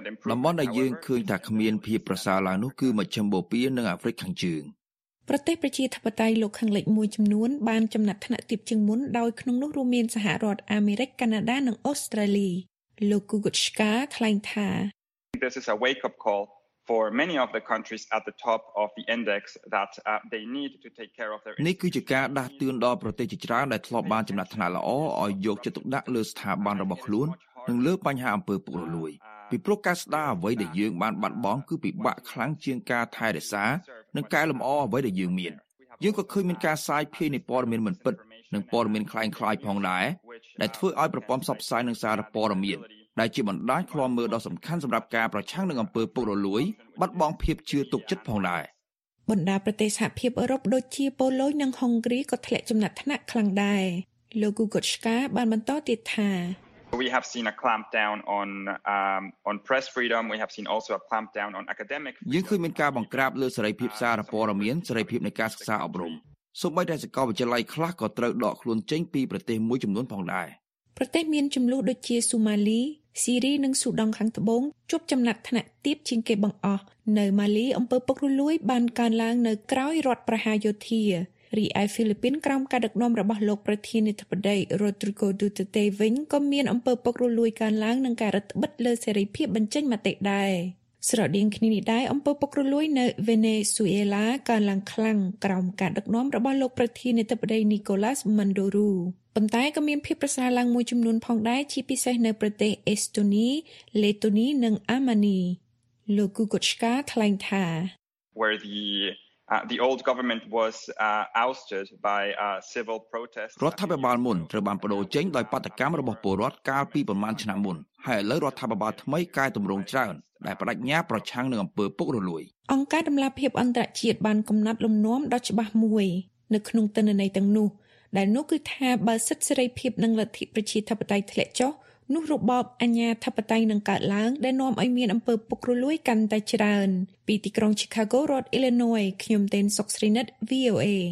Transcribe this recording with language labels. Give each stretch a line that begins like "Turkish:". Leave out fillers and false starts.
Khmer: តំបន់ដែលយើងឃើញថាគ្មានភាពប្រសើរឡើងនោះគឺមជ្ឈមបូព៌ានិងអាហ្វ្រិកខាងជើង ប្រទេសប្រជាធិបតេយ្យលោកខាងលិចមួយចំនួនបានចំណាត់ថ្នាក់ទាបជាងមុនដោយក្នុងនោះរួមមានសហរដ្ឋអាមេរិកកាណាដានិងអូស្ត្រាលីលោក Gugotschka ថ្លែងថា
English: This is a wake up call for many of the countries at the top of the index that they need to take care of their
Khmer: នេះគឺជាការដាស់តឿនដល់ប្រទេសជាច្រើនដែលធ្លាប់បានចំណាត់ថ្នាក់ល្អឲ្យយកចិត្តទុកដាក់លើស្ថាប័នរបស់ខ្លួននិងលើបញ្ហាអំពើពុករលួយពីព្រោះការស្ដារអ្វីដែលយើងបានបាត់បង់គឺពិបាកខ្លាំងជាងការថែរក្សានិងកែលម្អអ្វីដែលយើងមានយើងក៏ឃើញមានការសាយភាយនៃព័ត៌មានមិនពិតនិងព័ត៌មានក្លែងក្លាយផងដែរដែលធ្វើឲ្យប្រព័ន្ធផ្សព្វផ្សាយនិងសារព័ត៌មានដែលជាបណ្ដាញឃ្លាំមើលដ៏សំខាន់សម្រាប់ការប្រឆាំងនឹងអំពើពុករលួយបាត់បង់ភាពជឿទុកចិត្តផងដែរ បណ្ដាប្រទេសសហភាពអឺរ៉ុបដូចជាប៉ូឡូញនិងហុងគ្រីក៏ធ្លាក់ចំណាត់ថ្នាក់ខ្លាំងដែរលោក Gugotschka បានបន្តទៀតថា
English: We have seen a clampdown on press freedom. We have seen also a clampdown on academic freedom.
Khmer: យើងឃើញមានការបង្ក្រាបលើសេរីភាពសារព័ត៌មានសេរីភាពនៃការសិក្សាអប់រំសូម្បីតែសកលវិទ្យាល័យខ្លះក៏ត្រូវដកខ្លួនចេញពីប្រទេសមួយចំនួនផងដែរ ប្រទេសមានចំនួនដូចជាសូម៉ាលីស៊ីរីនិងស៊ូដង់ខាងត្បូងជួបចំណាត់ថ្នាក់ទាបជាងគេបង្អស់នៅម៉ាលីអំពើពុករលួយបានកើនឡើងនៅក្រោយរដ្ឋប្រហារយោធា រីឯហ្វីលីពីនក្រោមការដឹកនាំរបស់លោកប្រធានាធិបតីរ៉ូទ្រីโกឌូទេតេវិញក៏មានអំពើពុករលួយកើនឡើងនឹងការរឹតបន្តឹងលើសេរីភាពបញ្ចេញមតិដែរស្រដៀងគ្នានេះដែរអំពើពុករលួយនៅវេណេស៊ូអេឡាកើនឡើងខ្លាំងក្រោមការដឹកនាំរបស់លោកប្រធានាធិបតីនីកូឡាសមិនដូរូប៉ុន្តែក៏មានភាពប្រសើរឡើងមួយចំនួនផងដែរជាពិសេសនៅប្រទេសអេស្តូនីលេតូនីនិងអាម៉ានីលោក Gugotschka ថ្លែងថា
English: Where the old government was ousted by civil protests
Khmer: រដ្ឋាភិបាលមុនត្រូវបានបដូរចេញដោយបដកម្មរបស់ពលរដ្ឋកាលពីប្រមាណឆ្នាំមុនហើយឥឡូវរដ្ឋាភិបាលថ្មីកែតម្រង់ច្រើនដែលបដិញ្ញាប្រឆាំងនឹងអំពើពុករលួយ អង្គការតម្លាភាពអន្តរជាតិបានកំណត់លំនាំដ៏ច្បាស់មួយនៅក្នុងទិន្នន័យទាំងនោះដែលនោះគឺថាបើសិទ្ធិសេរីភាពនិងលទ្ធិប្រជាធិបតេយ្យធ្លាក់ចុះនោះរបបអាញាធិបតេយ្យនឹងកើតឡើងដែលនាំឲ្យមានអំពើពុករលួយកាន់តែច្រើនពីទីក្រុង Chicago រដ្ឋ Illinois ខ្ញុំតេនសុកស្រីនិត VOA